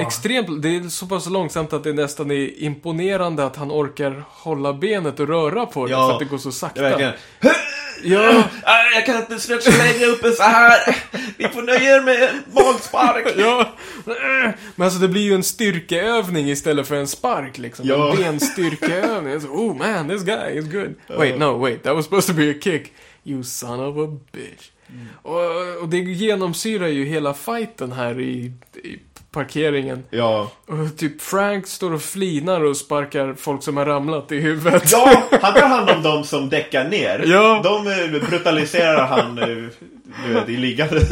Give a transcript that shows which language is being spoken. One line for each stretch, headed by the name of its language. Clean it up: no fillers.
Swedish: Extremt, det är så pass långsamt att det nästan är imponerande att han orkar hålla benet och röra på det. För att det går så sakta. Jag kan inte stretcha längre upp så här. Vi får nöja er med magspark. Ja. Men alltså det blir ju en styrkeövning istället för en spark liksom. Ja. En benstyrkeövning.
English: Oh man, this guy is good. Wait, no, wait, that was supposed to be a kick. You son of a bitch. Mm.
Swedish: Och det genomsyrar ju hela fighten här i parkeringen. Ja. Och typ Frank står och flinar och sparkar folk som har ramlat i huvudet. Ja, han tar hand om dem som däckar ner. Ja. De brutaliserar han nu i liggande.